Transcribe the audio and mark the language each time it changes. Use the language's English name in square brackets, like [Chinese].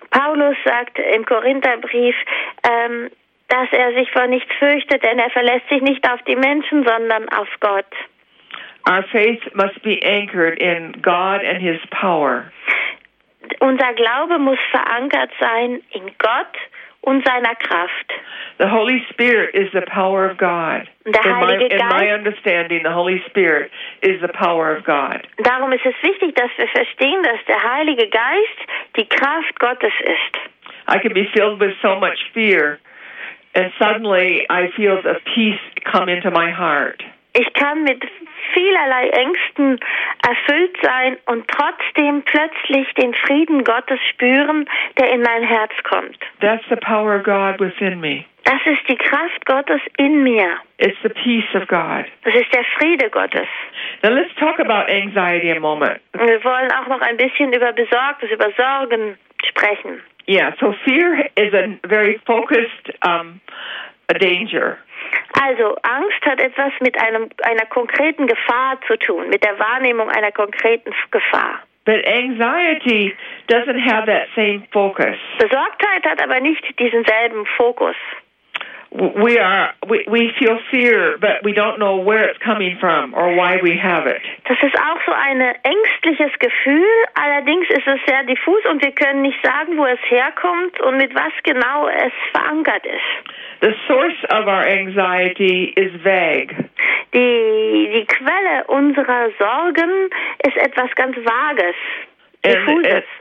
[German] Paulus sagt im Korintherbrief, dass er sich vor nichts fürchtet, denn er verlässt sich nicht auf die Menschen, sondern auf Gott. [English] Our faith must be anchored in God and His power. [German] Unser Glaube muss verankert sein in Gott und seiner Kraft. [English] The Holy Spirit is the power of God. [German] Der Heilige Geist, [English] in my understanding, the Holy Spirit is the power of God. [German] Darum ist es wichtig, dass wir verstehen, dass der Heilige Geist die Kraft Gottes ist. [English] I can be filled with so much fear, and suddenly I feel the peace come into my heart. [German] Ich kann mit vielerlei Ängsten erfüllt sein und trotzdem plötzlich den Frieden Gottes spüren, der in mein Herz kommt. [English] That's the power of God within me. [German] Das ist die Kraft Gottes in mir. [English] It's the peace of God. [German] Das ist der Friede Gottes. [English] Now let's talk about anxiety a moment. [German] Wir wollen auch noch ein bisschen über Besorgnis, über Sorgen sprechen. [English] Yeah, so fear is a very focused a danger. [German] Also, Angst hat etwas mit einer konkreten Gefahr zu tun, mit der Wahrnehmung einer konkreten Gefahr. [English] But anxiety doesn't have that same focus. [German] Besorgtheit hat aber nicht diesen selben Fokus. [English] We feel fear, but we don't know where it's coming from or why we have it. [German] Das ist auch so ein ängstliches Gefühl, allerdings ist es sehr diffus und wir können nicht sagen, wo es herkommt und mit was genau es verankert ist. [English] The source of our anxiety is vague. [German] Die Quelle unserer Sorgen ist etwas ganz Vages, diffuses.